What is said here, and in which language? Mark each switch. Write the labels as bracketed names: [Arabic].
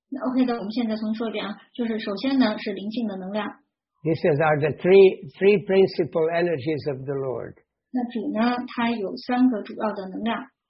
[Chinese] OK的，我们现在从说这样， 就是首先呢是灵性的能量。 [English] These are the three principal energies of the Lord. [Chinese] 那主呢，它有三个主要的能量。